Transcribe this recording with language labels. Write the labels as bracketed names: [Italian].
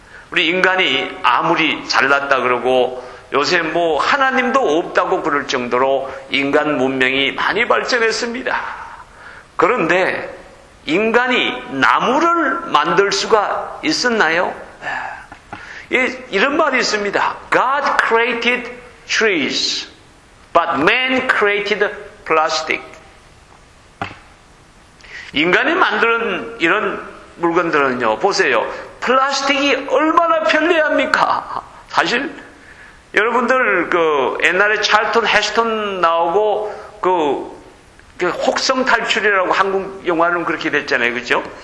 [Korean] 우리 인간이 아무리 잘났다 그러고 요새 뭐 하나님도 없다고 그럴 정도로 인간 문명이 많이 발전했습니다. 그런데 인간이 나무를 만들 수가 있었나요? 예, 이런 말이 있습니다. [English] God created trees, but man created plastic. [Korean] 인간이 만든 이런 물건들은요, 보세요. 플라스틱이 얼마나 편리합니까? 사실, 여러분들, 그, 옛날에 찰톤 헤스턴 나오고, 그 혹성 탈출이라고 한국 영화는 그렇게 됐잖아요. 그죠?